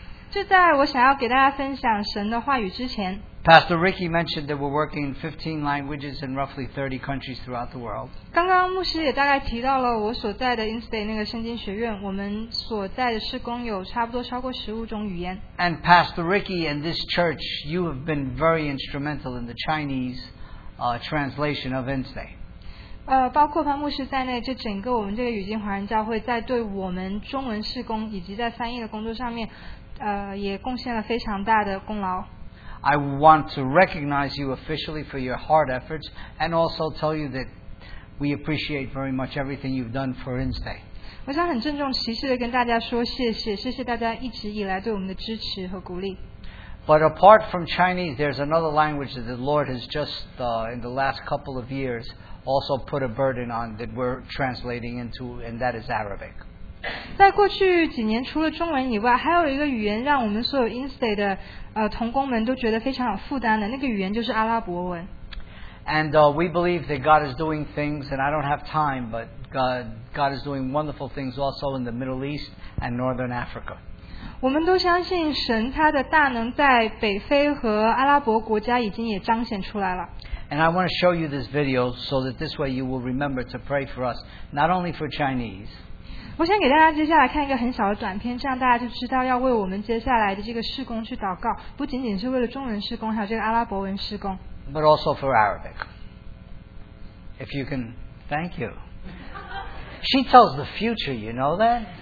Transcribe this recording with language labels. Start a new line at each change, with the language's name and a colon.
Chinese: 就在我想要给大家分享神的话语之前。
English: Pastor Ricky mentioned that we're working in 15 languages in roughly 30 countries throughout the world.
Chinese: 刚刚牧师也大概提到了我所在的 InState 那个圣经学院，我们所在的事工有差不多超过15种语言。
English: And Pastor Ricky and this church, you have been very instrumental in the Chinese translation of InState.
Chinese: 包括潘牧师在内，这整个我们这个语境华人教会在对我们中文事工以及在翻译的工作上面，也贡献了非常大的功劳。
English: I want to recognize you officially for your hard efforts and also tell you that we appreciate very much everything you've done for InState.
Chinese: 我想很郑重其事地跟大家说谢谢，谢谢大家一直以来对我们的支持和鼓励。
English: But apart from Chinese, there's another language that the Lord has just, in the last couple of years, also put a burden on that we're translating into, and that is Arabic.
Chinese: 在过去几年除了中文以外，还有一个语言让我们所有 InState 的同工们都觉得非常有负担的，那个语言就是阿拉伯文。
English: And we believe that God is doing things, and I don't have time, but God is doing wonderful things also in the Middle East and Northern Africa.
Chinese: 我们都相信神他的大能在北非和阿拉伯国家已经也彰显出来了。
English: And I want to show you this video so that this way you will remember to pray for us, not only for Chinese.
Chinese: 我先给大家接下来看一个很小的短片，这样大家就知道要为我们接下来的这个事工去祷告，不仅仅是为了中文事工，还有这个阿拉伯文事工。
English: But also for Arabic. If you can, thank you. She tells the future, you know that?